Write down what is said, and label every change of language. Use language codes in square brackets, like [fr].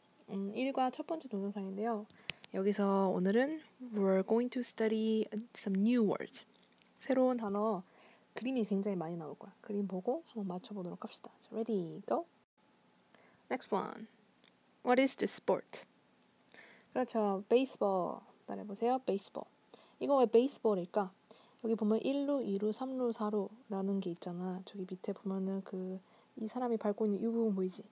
[ko] 1과 첫 번째 동영상인데요. 여기서 오늘은 [en] we're going to study some new words. [ko] 새로운 단어, 그림이 굉장히 많이 나올 거야. 그림 보고 한번 맞춰보도록 합시다. [en] So ready, go! Next one, what is the sport? [ko] 그렇죠, baseball. 따라해보세요, baseball. 이거 왜 baseball일까? 여기 보면 1루, 2루, 3루, 4루라는 게 있잖아. 저기 밑에 보면은 그 이 사람이 밟고 있는 이 부분 보이지?